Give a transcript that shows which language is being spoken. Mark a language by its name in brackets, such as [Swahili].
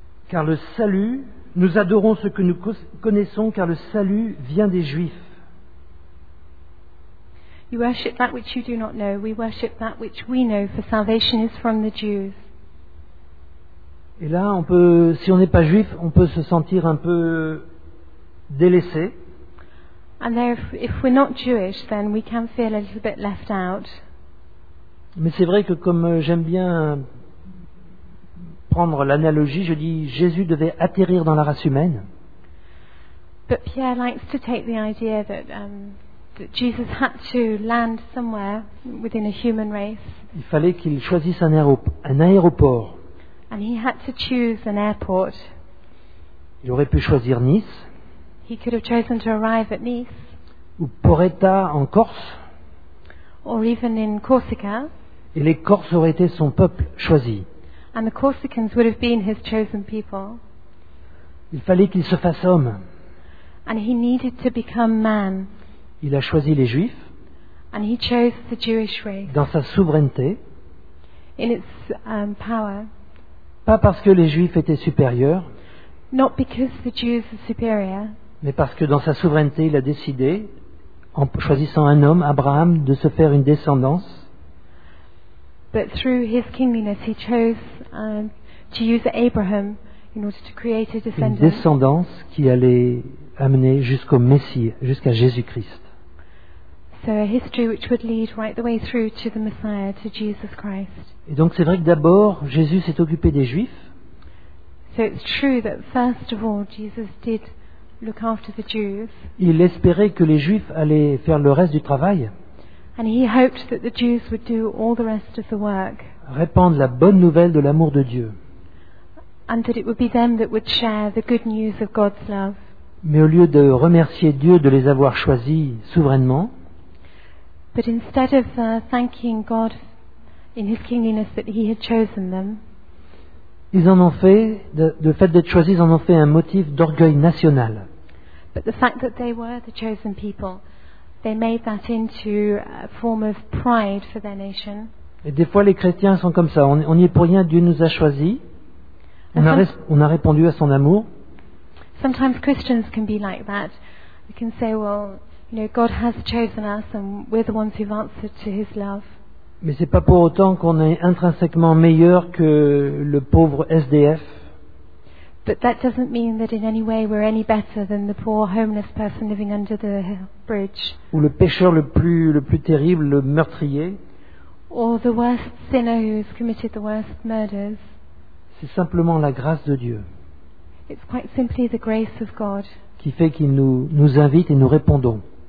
[French] Car le salut, nous adorons ce que nous connaissons, car le salut vient des Juifs. [English] You worship that which you do not know. We worship that which we know, for salvation is from the Jews. [French] Et là, on peut, si on n'est pas juif, on peut se sentir un peu délaissé. [English] And there, if we're not Jewish, then we can feel a little bit left out. [French] Mais c'est vrai que comme j'aime bien prendre l'analogie, je dis Jésus devait atterrir dans la race humaine. [English] But Pierre likes to take the idea that that Jesus had to land somewhere within a human race. [French] Il fallait qu'il choisisse un aéroport. [English] And he had to choose an airport. [French] Il aurait pu choisir Nice. [English] He could have chosen to arrive at Nice. [French] Ou Porretta en Corse. [English] Or even in Corsica. [French] Et les Corses auraient été son peuple choisi. [English] And the Corsicans would have been his chosen people. [French] Il fallait qu'il se fasse homme. [English] And he needed to become man. [French] Il a choisi les Juifs. [English] And he chose the Jewish race. [French] Dans sa souveraineté. [English] In its power. [French] Pas parce que les Juifs étaient supérieurs. [English] Not because the Jews are superior. [French] Mais parce que dans sa souveraineté, il a décidé, en choisissant un homme, Abraham, de se faire une descendance. [English] But through his kingliness, he chose to use Abraham in order to create a descendant. [French] Une descendance qui allait amener jusqu'au Messie, jusqu'à Jésus-Christ. [English] So a history which would lead right the way through to the Messiah, to Jesus Christ. [French] Et donc c'est vrai que d'abord Jésus s'est occupé des Juifs. [English] So it's true that first of all Jesus did look after the Jews. [French] Il espérait que les Juifs allaient faire le reste du travail. [English] And he hoped that the Jews would do all the rest of the work. [French] Répandre la bonne nouvelle de l'amour de Dieu. [English] And that it would be them that would share the good news of God's love. [French] Mais au lieu de remercier Dieu de les avoir choisis souverainement, [English] but instead of thanking God in his kingliness that he had chosen them, [French] ils en ont fait, le fait d'être choisis en ont fait un motif d'orgueil national. [English] But the fact that they were the chosen people, they made that into a form of pride for their nation. [French] Et des fois les chrétiens sont comme ça, on n'y est pour rien, Dieu nous a choisis, on a répondu à son amour. [English] Sometimes Christians can be like that. They can say, well, you know, God has chosen us and we're the ones who've answered to his love. [French] Mais ce n'est pas pour autant qu'on est intrinsèquement meilleur que le pauvre SDF. [English] But that doesn't mean that in any way we're any better than the poor homeless person living under the bridge. [French] Ou le pécheur le plus terrible, le meurtrier. [English] Or the worst sinner who's committed the worst murders. [French] C'est simplement la grâce de Dieu. [English] It's quite simply the grace of God. [French] Qui fait qu'il nous invite et nous répondons.